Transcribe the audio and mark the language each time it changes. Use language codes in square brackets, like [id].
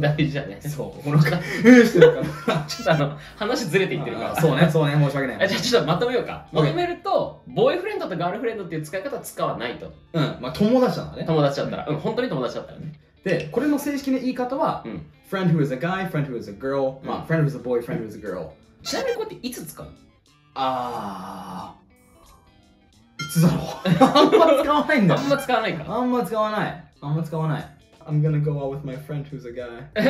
[ja] 大事じゃね。そう。この顔。うん、してるから。ちょっとあの、話ずれていってるから。そうね、そうね、申し訳ない。じゃあちょっとまとめようか。まとめると、ボーイフレンドとガールフレンドっていう使い方は使わないと。うん。まあ友達なんだね。友達だったら。うん、本当に友達だったらね。で、これの正式な言い方は、うん、 [en] friend who is a guy, friend who is a girl,、 [ja] うん、まあ、 [en] friend who is a boy, friend who is a girl。 [ja] ちなみにこうやっていつ使うの？あー。いつだろう。あんま使わないんだ。あんま使わないか。あんま使わない。あんま使わない。 [en] I'm gonna go out with my friend who's a guy.